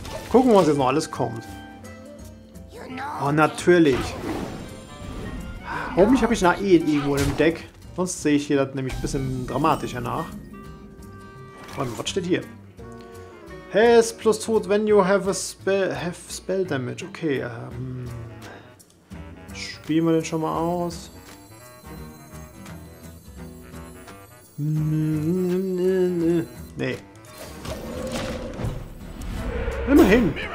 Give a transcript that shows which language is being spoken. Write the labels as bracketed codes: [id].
[de] Gucken, was jetzt noch alles kommt. Oh, natürlich. Hoffentlich habe ich nach Ehen irgendwo im Deck. Sonst sehe ich hier das nämlich ein bisschen dramatischer nach. Warte, was steht hier? [en] Has plus 2 when you have a spell, have spell damage. [de] Okay, spielen wir den schon mal aus. Nee. Immerhin.